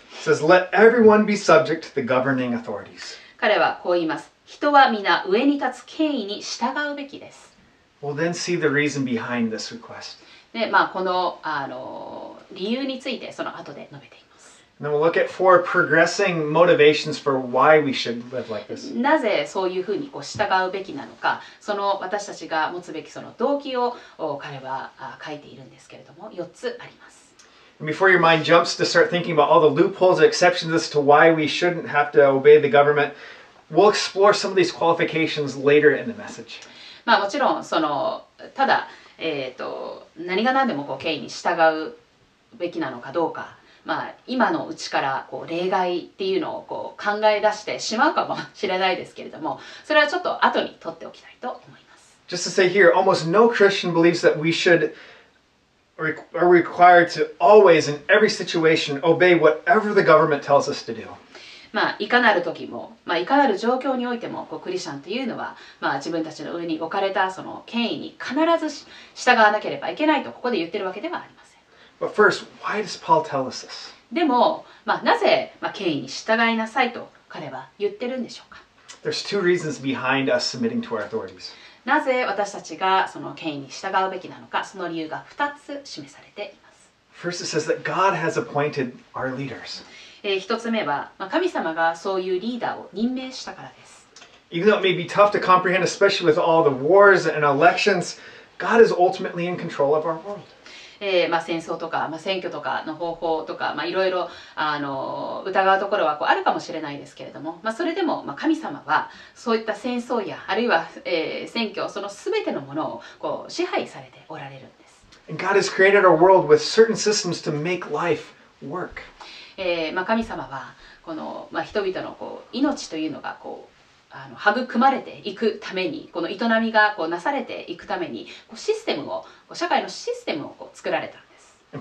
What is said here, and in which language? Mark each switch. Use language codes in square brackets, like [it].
[en] Says, let everyone be subject to the governing authorities. [ja] 彼はこう言います。人は皆上に立つ権威に従うべきです。 [en] We'll then see the reason behind this request. [ja] で、この、理由についてその後で述べています。 [en] And then we'll look at four progressing motivations for why we should live like this. [ja] なぜそういうふうにこう従うべきなのか、その私たちが持つべきその動機を彼は書いているんですけれども、4つあります。 [en] Before your mind jumps to start thinking about all the loopholes and exceptions as to why we shouldn't have to obey the government, we'll explore some of these qualifications later in the message. [ja] もちろん、ただ、何が何でも権威に従うべきなのかどうか、今のうちからこう例外っていうのをこう考え出してしまうかもしれないですけれども、それはちょっと後に取っておきたいと思います。 [en] Just to say here, almost no Christian believes that we shouldare required to always in every situation obey whatever the government tells us to do. [ja] いかなる時も、いかなる状況においても、こうクリスチャンというのは、自分たちの上に置かれたその権威に必ず従わなければいけないとここで言ってるわけではありません。 [en] But first, why does Paul tell us this? [ja] でも、なぜ、権威に従いなさいと彼は言ってるんでしょうか? [en] There's two reasons behind us submitting to our authorities. [ja] なぜ私たちがその権威に従うべきなのか、その理由が2つ示されています。 [en] First, it says that God has appointed our leaders. [ja] 一つ目は、神様がそういうリーダーを任命したからです。 [en] Even though it may be tough to comprehend, especially with all the wars and elections, God is ultimately in control of our world. [ja] 戦争とか、選挙とかの方法とか、いろいろ疑うところはこうあるかもしれないですけれども、それでも、神様はそういった戦争やあるいは、選挙そのすべてのものをこう支配されておられるんです。 [en] And God has created our world with certain systems to make life work. [ja] 神様はこの、人々のこう命というのがこう育まれていくためにこの営みがこうなされていくためにこうシステムを社会のシステムをこう作られたんです。